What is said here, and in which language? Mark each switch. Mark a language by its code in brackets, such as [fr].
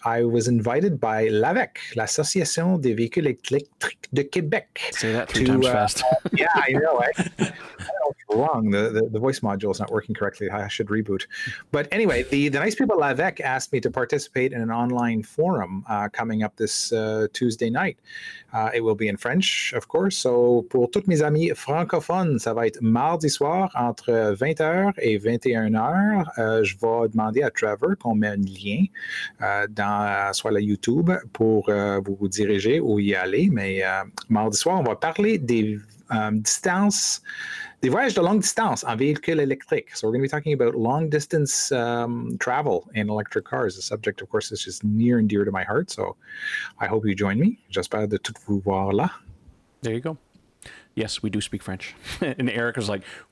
[en] I was invited by LAVEC, l'Association des Véhicules Électriques de Québec. Say that three times fast. yeah, I know. I don't know wrong. The voice module is not working correctly. I should reboot. But anyway, the nice people at LAVEC asked me to participate in an online forum coming up this Tuesday night. It will be in French, of course. [fr] So pour tous mes amis francophones, ça va être mardi soir entre 20h et 21h. Je vais demander à Trevor qu'on met un lien dans soit la YouTube pour vous diriger ou y aller. Mais mardi soir, on va parler des distances, des voyages de longue distance en véhicule électrique. [en] So we're going to be talking about long distance travel in electric cars. The subject, of course, is just near and dear to my heart. So I hope you join me. [fr] J'espère de tout vous voir là. [en] There you go. Yes, we do speak French. And Eric is like,